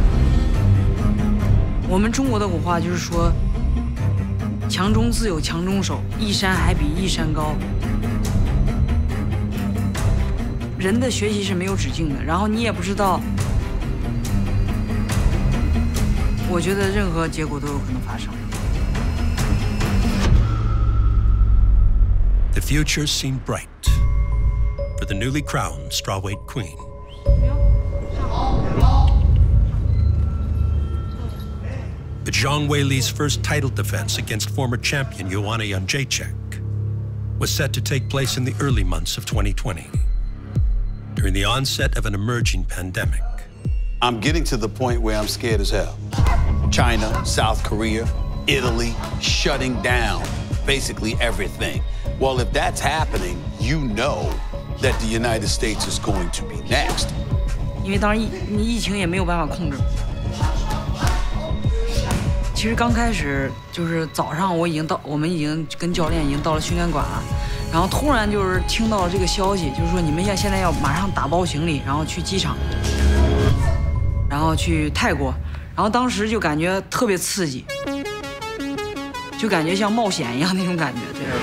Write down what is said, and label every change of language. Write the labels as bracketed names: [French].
[Chinese] 当时在深圳夺冠以后，我就感觉梦想成真，感觉特别开心。这么多年的努力，感觉在梦里，在跑步的时候幻想的那个画面，终于成真了。我们中国的古话就是说，强中自有强中手，一山还比一山高。人的学习是没有止境的，然后你也不知道，我觉得任何结果都有可能发生。 [English] The future seemed bright for the newly crowned strawweight queen. But Zhang Weili's first title defense against former champion Joanna Jędrzejczyk was set to take place in the early months of 2020, during the onset of an emerging pandemic. I'm getting to the point where I'm scared as hell. China, South Korea, Italy, shutting down basically everything. Well, if that's happening, you know that the United States is going to be next. [Chinese] 因为当时疫情也没有办法控制。其实刚开始就是早上我们已经跟教练已经到了训练馆了，然后突然就是听到了这个消息，就是说你们现在要马上打包行李，然后去机场，然后去泰国，然后当时就感觉特别刺激，就感觉像冒险一样那种感觉。对。